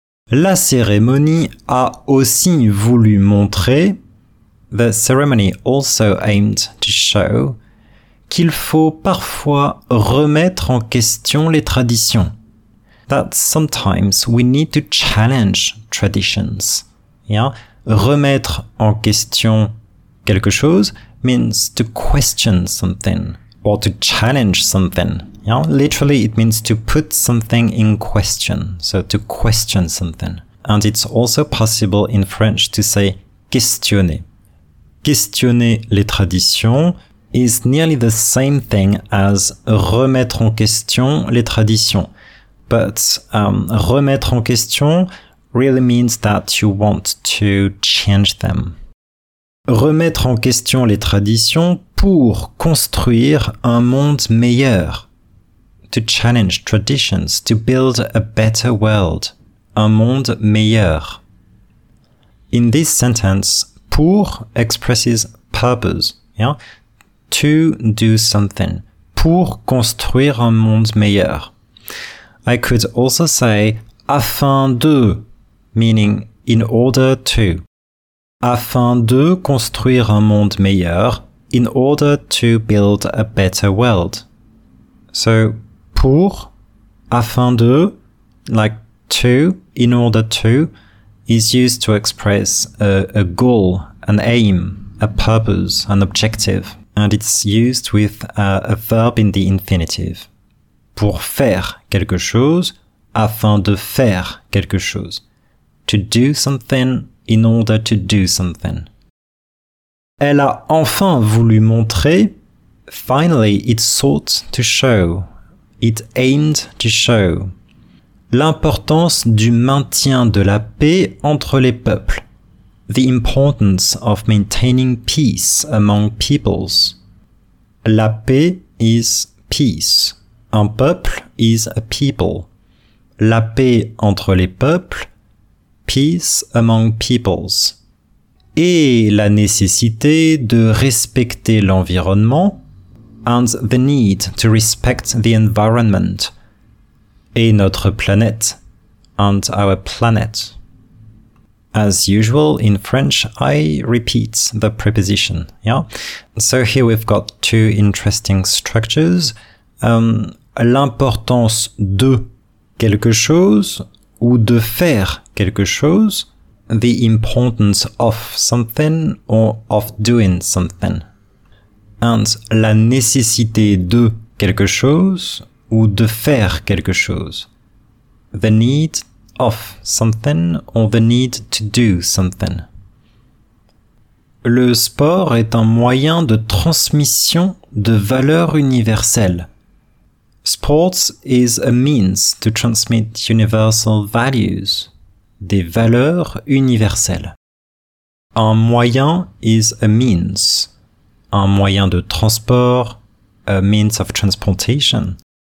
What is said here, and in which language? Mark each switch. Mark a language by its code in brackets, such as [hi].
[fr] La cérémonie a aussi voulu montrer, [en] the ceremony also aimed to show, [fr] qu'il faut parfois remettre en question les traditions. [en] That sometimes we need to challenge traditions. Yeah? [fr] Remettre en question quelque chose [en] means to question something or to challenge something. Yeah, literally, it means to put something in question, so to question something. And it's also possible in French to say questionner. [fr] Questionner les traditions [en] is nearly the same thing as [fr] remettre en question les traditions. [en] But [fr] remettre en question [en] really means that you want to change them. [fr] Remettre en question les traditions pour construire un monde meilleur. [en] To challenge traditions, to build a better world, [fr] un monde meilleur. [en] In this sentence, pour expresses purpose, yeah? To do something, [fr] pour construire un monde meilleur. [en] I could also say afin de, meaning in order to. [fr] Afin de construire un monde meilleur, [en] in order to build a better world. So, pour, afin de, like to, in order to, is used to express a goal, an aim, a purpose, an objective. And it's used with a verb in the infinitive. [fr] Pour faire quelque chose, afin de faire quelque chose. [en] To do something, in order to do something. [fr] Elle a enfin voulu montrer. [en] Finally, it sought to show. It aimed to show [fr] l'importance du maintien de la paix entre les peuples. [en] The importance of maintaining peace among peoples. La paix is peace. Un peuple is a people. [fr] La paix entre les peuples. [en] Peace among peoples. [fr] Et la nécessité de respecter l'environnement. [en] And the need to respect the environment. [fr] Et notre planète. [en] And our planet. As usual, in French, I repeat the preposition. Yeah. So here we've got two interesting structures. [fr] L'importance de quelque chose ou de faire quelque chose. [en] The importance of something or of doing something. [fr] And la nécessité de quelque chose ou de faire quelque chose. [en] The need of something or the need to do something. [fr] Le sport est un moyen de transmission de valeurs universelles. [en] Sports is a means to transmit universal values. [fr] Des valeurs universelles. Un moyen [en] is a means. [fr] Un moyen de transport, [en] a means of transportation.